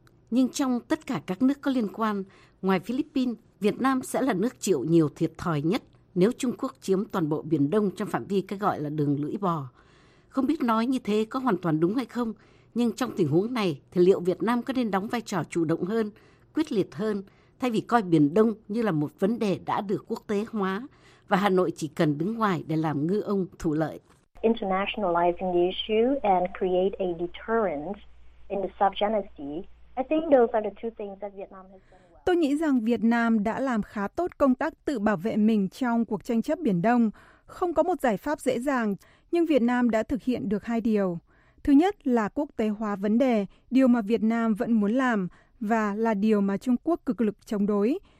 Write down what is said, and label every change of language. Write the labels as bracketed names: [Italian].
[Vietnamese] Nhưng trong tất cả các nước có liên quan, ngoài Philippines, Việt Nam sẽ là nước chịu nhiều thiệt thòi nhất nếu Trung Quốc chiếm toàn bộ Biển Đông trong phạm vi cái gọi là đường lưỡi bò. Không biết nói như thế có hoàn toàn đúng hay không, nhưng trong tình huống này thì liệu Việt Nam có nên đóng vai trò chủ động hơn, quyết liệt hơn, thay vì coi Biển Đông như là một vấn đề đã được quốc tế hóa và Hà Nội chỉ cần đứng ngoài để làm ngư ông thủ lợi. [English] Internationalizing the issue and create a deterrent in the subgenocide, I think those are the two things that Vietnam has done. [Vietnamese] Tôi nghĩ rằng Việt Nam đã làm khá tốt công tác tự bảo vệ mình trong cuộc tranh chấp Biển Đông. Không có một giải pháp dễ dàng, nhưng Việt Nam đã thực hiện được hai điều. Thứ nhất là quốc tế hóa vấn đề, điều mà Việt Nam vẫn muốn làm và là điều mà Trung Quốc cực lực chống đối.